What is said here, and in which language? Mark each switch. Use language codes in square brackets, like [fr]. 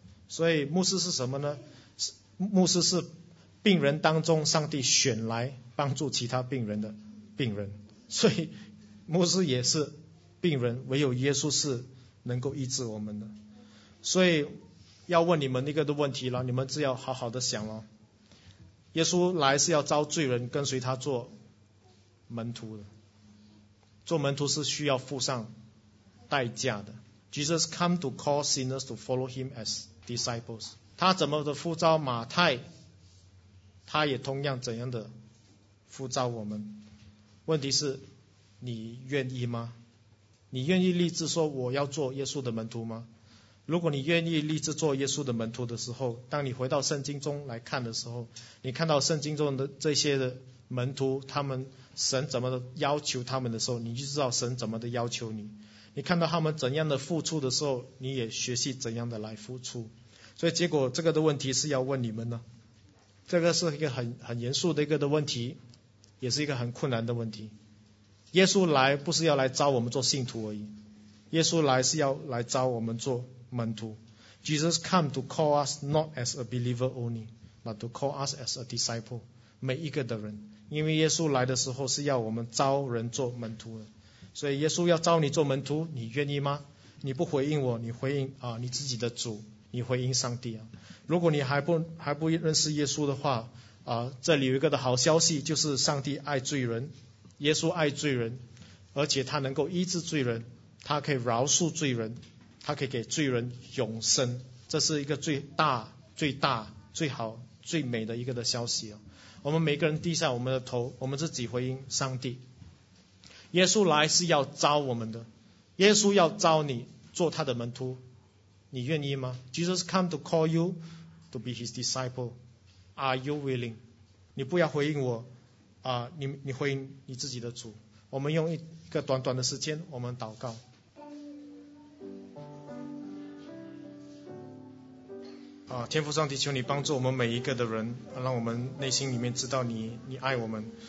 [zh] 所以牧师是什么呢？牧师是病人当中上帝选来帮助其他病人的病人，所以牧师也是病人，唯有耶稣是能够医治我们的。所以要问你们那个的问题了，你们只要好好的想了。耶稣来是要招罪人跟随他做门徒的，做门徒是需要付上代价的。 [en] Jesus come to call sinners to follow him as disciples， [zh] 他怎么的呼召马太，他也同样怎样的呼召我们。问题是你愿意吗？你愿意立志说我要做耶稣的门徒吗？如果你愿意立志做耶稣的门徒的时候，当你回到圣经中来看的时候，你看到圣经中的这些的门徒，他们神怎么要求他们的时候，你就知道神怎么的要求你。你看到他们怎样的付出的时候，你也学习怎样的来付出。所以结果这个的问题是要问你们呢，这个是一个很严肃的一个的问题，也是一个很困难的问题。耶稣来不是要来招我们做信徒而已，耶稣来是要来招我们做门徒。 [en] Jesus come to call us not as a believer only but to call us as a disciple， [zh] 每一个的人，因为耶稣来的时候是要我们招人做门徒的。所以耶稣要招你做门徒，你愿意吗？你不回应我，你回应啊你自己的主，你回应上帝啊。如果你还不认识耶稣的话啊，这里有一个的好消息，就是上帝爱罪人，耶稣爱罪人，而且他能够医治罪人，他可以饶恕罪人，他可以给罪人永生，这是一个最大最大最好最美的一个的消息啊。我们每个人低下我们的头，我们自己回应上帝。耶稣来是要招我们的，耶稣要招你做他的门徒，你愿意吗？ [en] Jesus come to call you to be his disciple. Are you willing? [zh] 你不要回应我啊，你回应你自己的主。我们用一个短短的时间我们祷告。啊，天父上帝，求你帮助我们每一个的人，让我们内心里面知道你爱我们。